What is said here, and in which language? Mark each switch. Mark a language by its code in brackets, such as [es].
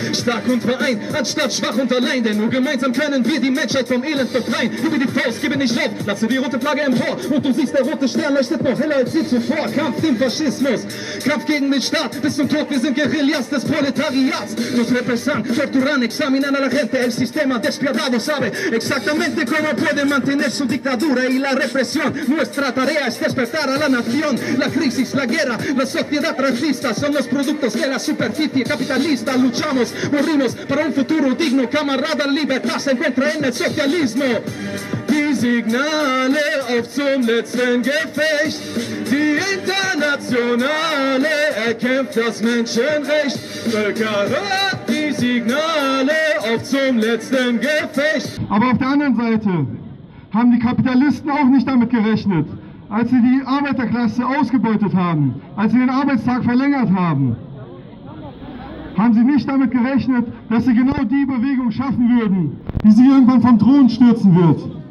[de] Stark und vereint, anstatt schwach und allein. Denn nur gemeinsam können wir die Menschheit vom Elend befreien. Gebe die Faust, gebe nicht auf, lasse die rote Flagge empor. Und du siehst, der rote Stern leuchtet noch heller als je zuvor. Kampf dem Faschismus, Kampf gegen den Staat. Bis zum Tod, wir sind Guerillas des Proletariats. [es] Nos represan, torturan, examinan a la gente. El sistema despiadado sabe exactamente cómo puede mantener su dictadura y la represión. Nuestra tarea es despertar a la nación. La crisis, la guerra, la sociedad racista son los productos de la superficie capitalista. Luchamos, morimos para un futuro digno, camarada. Libertad se encuentra en el socialismo. [de] Die Signale auf zum letzten Gefecht. Die Internationale erkämpft das Menschenrecht. Völkerrat, die Signale auf zum letzten Gefecht. Aber auf der anderen Seite haben die Kapitalisten auch nicht damit gerechnet, als sie die Arbeiterklasse ausgebeutet haben, als sie den Arbeitstag verlängert haben, haben sie nicht damit gerechnet, dass sie genau die Bewegung schaffen würden, die sie irgendwann vom Thron stürzen wird.